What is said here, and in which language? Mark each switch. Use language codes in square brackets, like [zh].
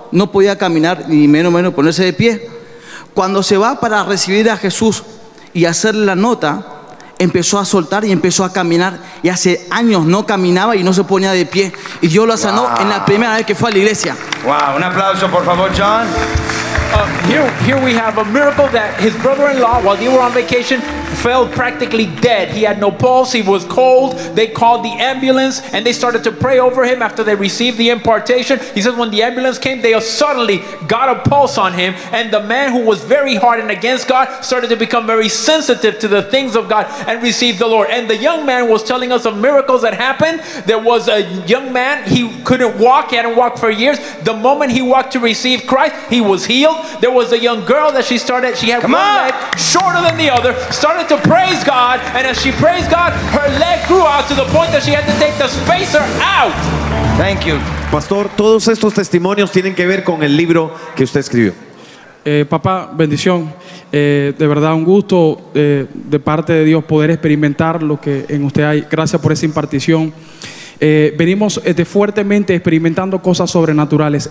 [es] No podía caminar ni menos ponerse de pie. Cuando se va para recibir a Jesús y hacerle la nota, empezó a soltar y empezó a caminar. Y hace años no caminaba y no se ponía de pie. Y Dios lo sanó. Wow. En la primera vez que fue a la iglesia. Wow, un aplauso por favor, John. [en] Here we have a miracle that his brother-in-law, while they were on vacation, fell practically dead. He had no pulse, he was cold. They called the ambulance and they started to pray over him after they received the impartation. He says when the ambulance came, they suddenly got a pulse on him, and the man who was very hard and against God started to become very sensitive to the things of God and received the Lord. And the young man was telling us of miracles that happened. There was a young man, he couldn't walk, he hadn't walked for years. The moment he walked to receive Christ, he was healed. There was a young girl that she had Come one on. Leg shorter than the other, started to praise God, and as she praised God, her leg grew out to the point that she had to take the spacer out. Thank you. [es] Pastor, todos estos testimonios tienen que ver con el libro que usted escribió. Papá, bendición. De verdad, un gusto de parte de Dios poder experimentar lo que en usted hay. Gracias por esa impartición. Venimos fuertemente experimentando cosas sobrenaturales.